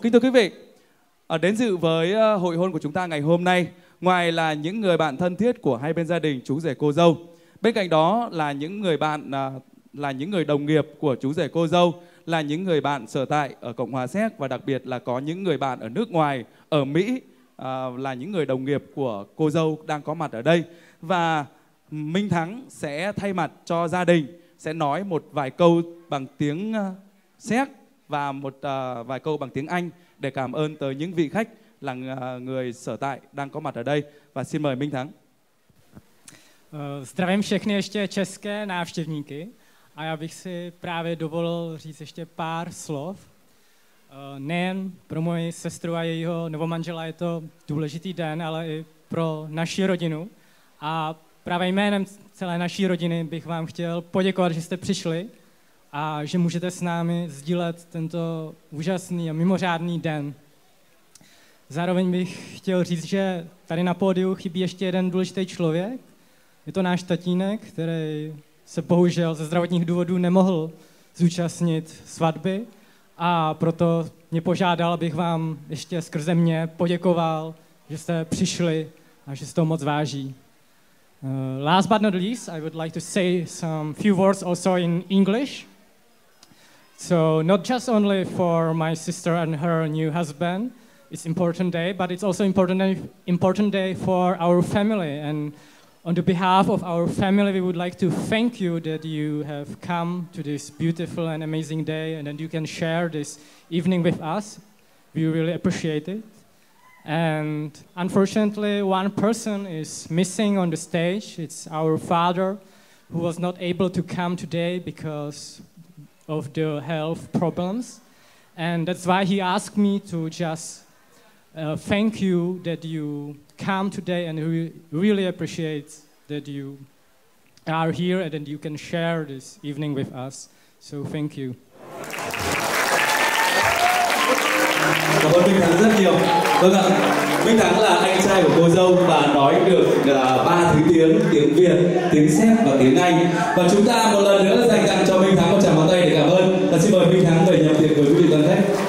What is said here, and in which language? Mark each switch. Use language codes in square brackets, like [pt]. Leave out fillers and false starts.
[vi] Kính thưa quý vị, đến dự với hội hôn của chúng ta ngày hôm nay, ngoài là những người bạn thân thiết của hai bên gia đình chú rể cô dâu, bên cạnh đó là những người bạn, là những người đồng nghiệp của chú rể cô dâu, là những người bạn sở tại ở Cộng hòa Séc, và đặc biệt là có những người bạn ở nước ngoài, ở Mỹ, là những người đồng nghiệp của cô dâu đang có mặt ở đây. Và Minh Thắng sẽ thay mặt cho gia đình sẽ nói một vài câu bằng tiếng Séc và một vài câu bằng tiếng Anh để cảm ơn tới những vị khách là người sở tại đang có mặt ở đây. Và xin mời Minh Thắng. [cs] Zdravím všechny ještě české návštěvníky a já bych si právě dovolil říct ještě pár slov. Nejen pro moji sestru a jejího novomanžela je to důležitý den, ale i pro naši rodinu. A právě jménem celé naší rodiny bych vám chtěl poděkovat, že jste přišli a že můžete s námi sdílet tento úžasný a mimořádný den. Zároveň bych chtěl říct, že tady na pódiu chybí ještě jeden důležitý člověk. Je to náš tatínek, který se bohužel ze zdravotních důvodů nemohl zúčastnit svatby. A proto mě požádal, abych vám ještě skrze mě poděkoval, že jste přišli a že se to moc váží. [en] Last but not least, I would like to say some few words also in English. So not just only for my sister and her new husband, it's important day, but it's also important day for our family. And on the behalf of our family, we would like to thank you that you have come to this beautiful and amazing day, and that you can share this evening with us. We really appreciate it. And unfortunately, one person is missing on the stage. It's our father, who was not able to come today because of the health problems. And that's why he asked me to just thank you that you come today, and we really appreciate that you are here and that you can share this evening with us. So thank you. [vi] Cảm ơn Minh Thắng rất nhiều. Vâng ạ, Minh Thắng là anh trai của cô dâu và nói được ba thứ tiếng: tiếng Việt, tiếng Séc và tiếng Anh. Và chúng ta một lần nữa dành tặng cho Minh Thắng một tràng pháo tay để cảm ơn. Và xin mời Minh Thắng về nhận tiền với quý vị toàn thể.